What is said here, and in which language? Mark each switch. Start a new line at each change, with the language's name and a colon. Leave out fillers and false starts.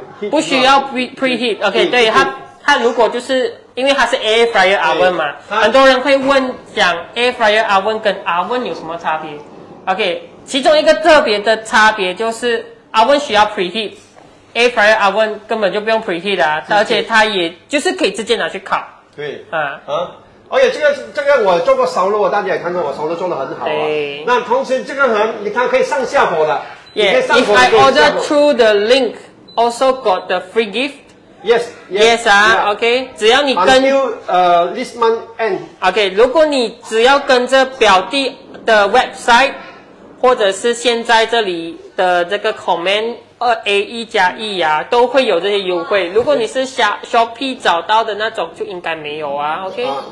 Chinese: 不需要 preheat。OK， 对，它如果就是因为它是 air fryer oven 嘛，很多人会问讲 air fryer oven 跟 oven 有什么差别 ？OK， 其中一个特别的差别就是 oven 需要 preheat。 Air fryer oven 根本就不用 preheat 啊，而且它也就是可以直接拿去烤。对，而且这个我做过烧肉，大家也看到我烧肉做得很好啊。那同时这个很，你看可以上下火的。
English: Yeah, if I order through the link, also got the free gift. Yes, yes, yes 啊 yeah, ，OK，
Chinese: 只要你跟
English: until this month end.
Chinese: OK， 如果你只要跟着表弟的 website， 或者是现在这里的这个 comment。 2AE 加 E 啊都会有这些优惠，如果你是 Shopee 找到的那种就应该没有啊。 OK，